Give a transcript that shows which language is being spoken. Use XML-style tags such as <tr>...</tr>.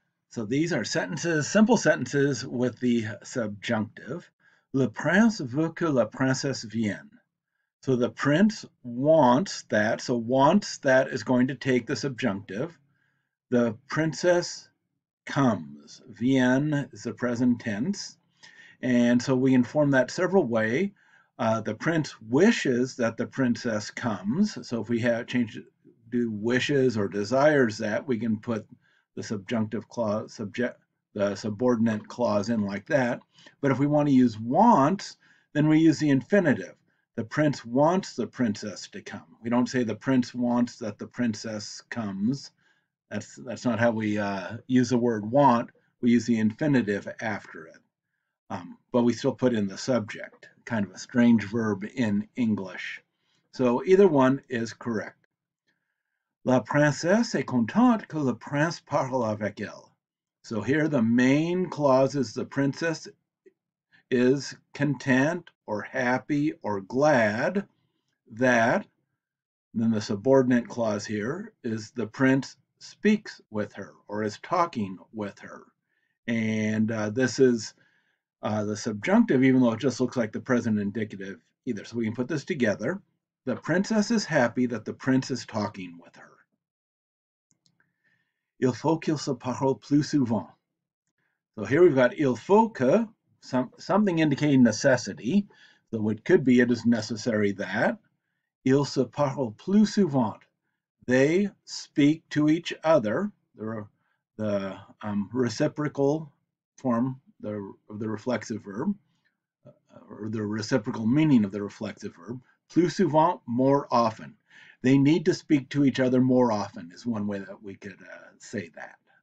<en>So these are sentences, simple sentences with the subjunctive.</en> <fr>Le prince veut que la princesse vienne.</fr> <en>So the prince wants that. So wants that is going to take the subjunctive. The princess comes. Vienne is the present tense. And so we inform that several way. The prince wishes that the princess comes. So if we have changed it, do wishes or desires that, we can put the subjunctive clause, the subordinate clause in like that. But if we want to use wants, then we use the infinitive. The prince wants the princess to come. We don't say the prince wants that the princess comes. That's not how we use the word want. We use the infinitive after it. But we still put in the subject, kind of a strange verb in English. So either one is correct.</en> <fr>La princesse est contente que le prince parle avec elle.</fr> <en>So here the main clause is the princess is content or happy or glad that, then the subordinate clause here is the prince speaks with her or is talking with her. And this is the subjunctive, even though it just looks like the present indicative either. So we can put this together. The princess is happy that the prince is talking with her.</en> <fr>Il faut qu'il se parle plus souvent.</fr> <en>So here we've got</en> <fr>il faut que,</fr> <en>something indicating necessity, though it could be it is necessary that.</en> <fr>Il se parle plus souvent.</fr> <en>They speak to each other. The reciprocal form of the reflexive verb, or the reciprocal meaning of the reflexive verb.</en> <fr>Plus souvent,</fr> <en>more often. They need to speak to each other more often is one way that we could say that.</en>